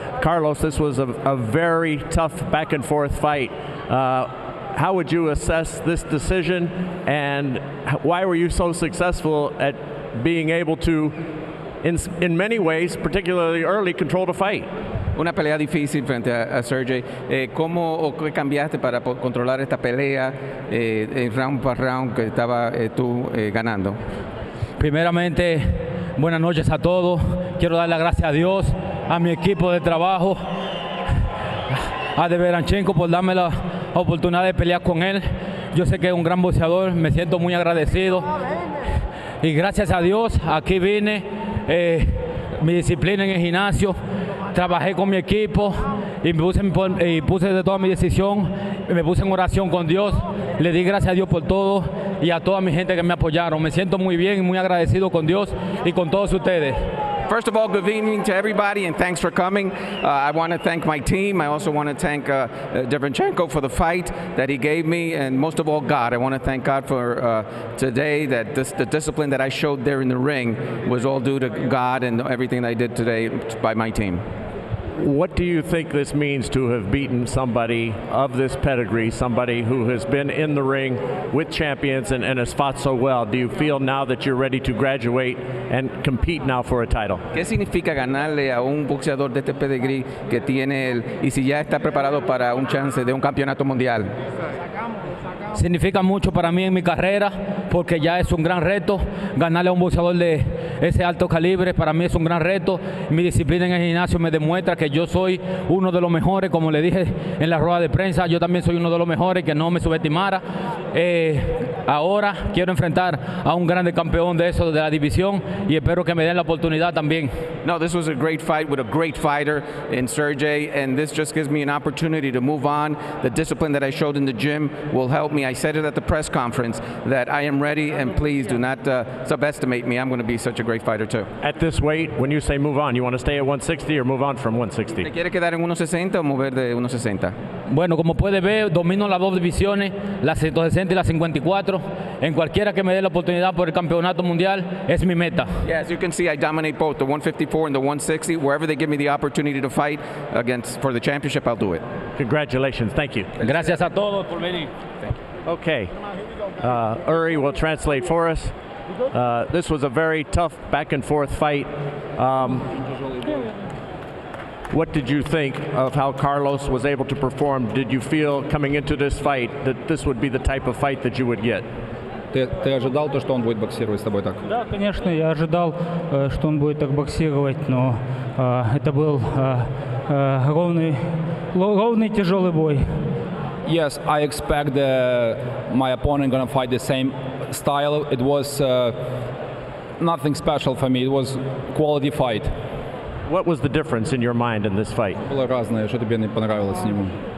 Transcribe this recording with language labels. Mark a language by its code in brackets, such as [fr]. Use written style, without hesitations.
[en] Carlos, this was a very tough back and forth fight. How would you assess this decision, and why were you so successful at being able to, in many ways, particularly early, control the fight? [es] Una pelea difícil frente a Sergey. ¿Cómo o qué cambiaste para controlar esta pelea en round por round que estaba tú ganando? Primeramente, buenas noches a todos. Quiero dar las gracias a Dios, a mi equipo de trabajo, a Derevyanchenko por darme la oportunidad de pelear con él. Yo sé que es un gran boxeador, me siento muy agradecido. Y gracias a Dios, aquí vine, mi disciplina en el gimnasio, trabajé con mi equipo y puse de toda mi decisión, me puse en oración con Dios, le di gracias a Dios por todo y a toda mi gente que me apoyaron. Me siento muy bien y muy agradecido con Dios y con todos ustedes. [en] First of all, good evening to everybody, and thanks for coming. I want to thank my team. I also want to thank Derevyanchenko for the fight that he gave me, and most of all, God. I want to thank God for today, that the discipline that I showed there in the ring was all due to God and everything that I did today by my team. What do you think this means to have beaten somebody of this pedigree, somebody who has been in the ring with champions and has fought so well? Do you feel now that you're ready to graduate and compete now for a title? [es] ¿Qué significa ganarle a un boxeador de este pedigree que tiene él y si ya está preparado para un chance de un campeonato mundial? Significa mucho para mí en mi carrera porque ya es un gran reto ganarle a un boxeador de ese alto calibre. Para mí es un gran reto. Mi disciplina en el gimnasio me demuestra que yo soy uno de los mejores. Como le dije en la rueda de prensa, yo también soy uno de los mejores, que no me subestimara. Ahora quiero enfrentar a un grande campeón de eso, de la división, y espero que me den la oportunidad también. [en] No, this was a great fight with a great fighter in Sergiy, and this just gives me an opportunity to move on. The discipline that I showed in the gym will help me. I said it at the press conference that I am ready, and please do not subestimate me. I'm going to be such a great fighter too. At this weight, when you say move on, you want to stay at 160 or move on from 160? [es] ¿Te quiere quedar en 160 o mover de 160? Bueno, como puede ver, domino las dos divisiones, las 160 y las 54. En cualquiera que me dé la oportunidad por el campeonato mundial, es mi meta. [en] Yeah, as you can see, I dominate both the 154 and the 160. Wherever they give me the opportunity to fight against for the championship, I'll do it. Congratulations. Thank you. [es] Gracias a todos por venir. [en] Thank you. Okay. Uri will translate for us. This was a very tough back and forth fight. What did you think of how Carlos was able to perform? Did you feel coming into this fight that this would be the type of fight that you would get? [ru] Ты ожидал то, что он будет боксировать с тобой так? Да, конечно, я ожидал, что он будет так боксировать, но это был ровный тяжелый бой. [en] Yes, I expect my opponent gonna fight the same style. It was nothing special for me. It was quality fight. What was the difference in your mind in this fight? [ru] Было разное, что тебе не понравилось с ним?